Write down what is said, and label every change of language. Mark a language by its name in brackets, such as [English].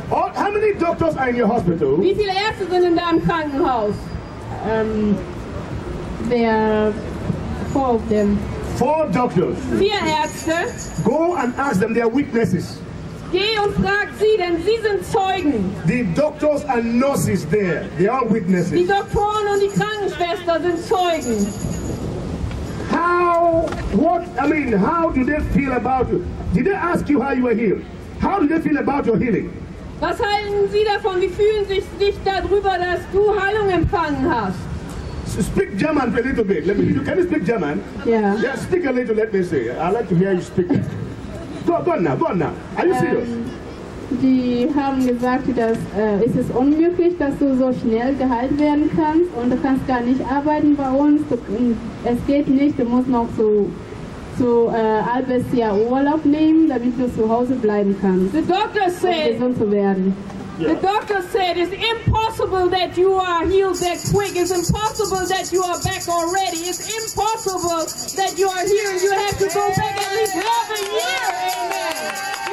[English] How many doctors are in your hospital? [German] Wie viele Ärzte sind in deinem Krankenhaus? [English] There are four of them. Four doctors. [German] Vier Ärzte. [English] Go and ask them their witnesses. [German] Geh und frag sie, denn sie sind Zeugen. [English] The doctors and nurses there, they are witnesses. [German] Die Doktoren und die Krankenschwestern sind Zeugen. [English] How do they feel about you? Did they ask you how you were healed? How do they feel about your healing? [German] Was halten sie davon? Wie fühlen sie sich darüber, dass du Heilung empfangen hast? [English] Speak German for a little bit. Can you speak German? Yeah. Yeah, speak a little, let me see. I'd like to hear you speak. Go on now. Are you serious? [German] Die haben gesagt, dass es ist unmöglich, dass du so schnell geheilt werden kannst und du kannst gar nicht arbeiten bei uns. Es geht nicht, du musst noch zu halbes Jahr Urlaub nehmen, damit du zu Hause bleiben kannst. [English] The doctor said, [German] um gesund zu werden. [English] Yeah. The doctor said it's impossible that you are healed that quick. It's impossible that you are back already. It's impossible that you are here and you have to go back at least half a year.